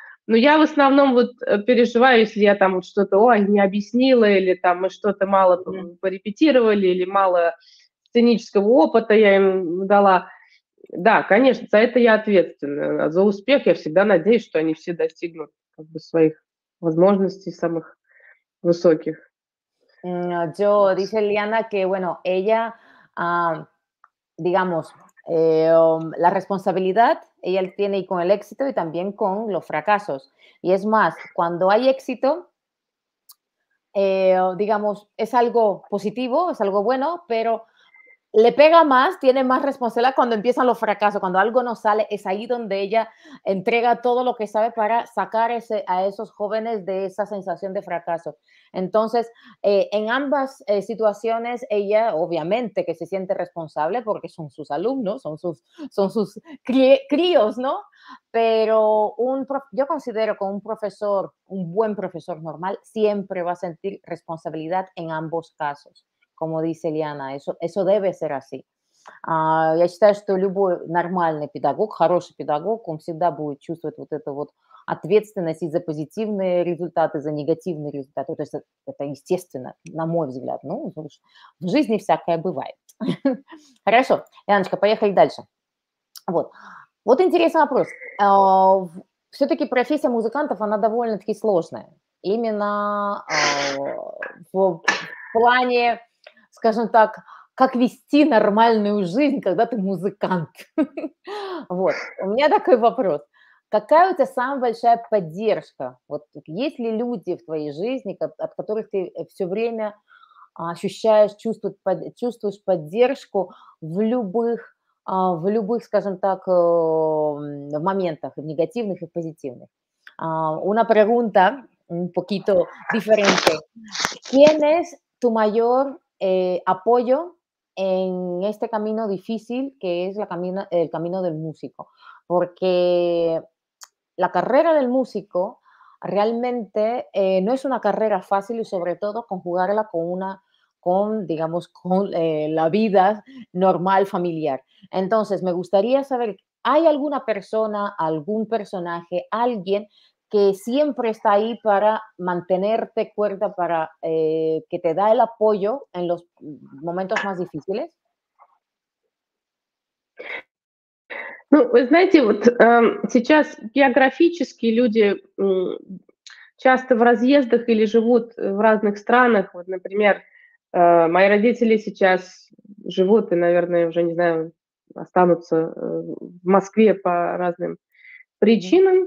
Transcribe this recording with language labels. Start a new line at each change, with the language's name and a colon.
Russian: Но я в основном вот переживаю, если я там вот что-то, не объяснила, или там мы что-то мало порепетировали, или мало сценического опыта я им дала. Да, конечно, за это я ответственна. А за успех я всегда надеюсь, что они все достигнут как бы своих возможностей самых высоких.
Spanish: Джо, dice Liana, que bueno, ella, digamos, la responsabilidad ella tiene con el éxito y también con los fracasos. Y es más, cuando hay éxito, digamos, es algo positivo, es algo bueno, pero le pega más, tiene más responsabilidad cuando empiezan los fracasos, cuando algo no sale, es ahí donde ella entrega todo lo que sabe para sacar a esos jóvenes de esa sensación de fracaso. Entonces, en ambas situaciones, ella obviamente que se siente responsable porque son sus alumnos, son sus críos, ¿no? Pero yo considero que un profesor, un buen profesor normal, siempre va a sentir responsabilidad en ambos casos. Como dice Liana, eso debe ser así.
Russian: Я считаю, что любой нормальный педагог, хороший педагог, он всегда будет чувствовать вот эту вот ответственность и за позитивные результаты, за негативные результаты. То есть это естественно, на мой взгляд. Ну, в жизни всякое бывает. Хорошо, Лианочка, поехали дальше. Вот. Вот интересный вопрос. Все-таки профессия музыкантов, она довольно-таки сложная. Именно в плане, скажем так, как вести нормальную жизнь, когда ты музыкант. Вот, у меня такой вопрос. Какая у тебя самая большая поддержка? Вот есть ли люди в твоей жизни, от которых ты все время ощущаешь, чувствуешь поддержку в любых, скажем так, в моментах, в негативных и позитивных?
Spanish: Una pregunta un poquito diferente. ¿Quién es tu mayor apoyo en este camino difícil que es el camino del músico? Porque la carrera del músico realmente no es una carrera fácil, y sobre todo conjugarla con la vida normal, familiar. Entonces, me gustaría saber, ¿hay alguna persona, algún personaje, alguien que siempre está ahí para mantenerte cuerda, para que te da el apoyo en los momentos más difíciles?
Russian: Ну, вы знаете, вот сейчас географически люди часто в разъездах или живут в разных странах. Вот, например, мои родители сейчас живут и, наверное, уже, не знаю, останутся в Москве по разным причинам.